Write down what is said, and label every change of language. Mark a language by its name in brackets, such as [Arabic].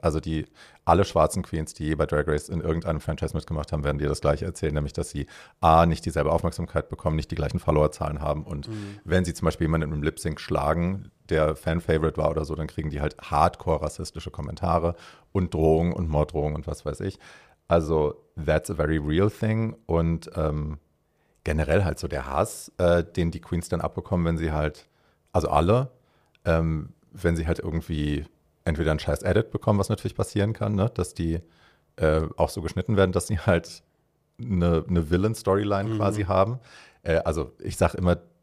[German] Also die alle schwarzen Queens, die bei Drag Race in irgendeinem Franchise mitgemacht haben, werden dir das gleiche erzählen, nämlich dass sie A, nicht dieselbe Aufmerksamkeit bekommen, nicht die gleichen Followerzahlen haben. Und wenn sie zum Beispiel jemanden im Lip-Sync schlagen, der Fan-Favorite war oder so, dann kriegen die halt hardcore-rassistische Kommentare und Drohungen und Morddrohungen und was weiß ich. [English] Also that's a very real thing. [German] Und generell halt so der Hass, den die Queens dann abbekommen, wenn sie halt, also alle, wenn sie halt irgendwie entweder ein scheiß Edit bekommen, was natürlich passieren kann, ne? Dass die auch so geschnitten werden, dass sie halt eine Villain-Storyline quasi haben. Also ich sag immer,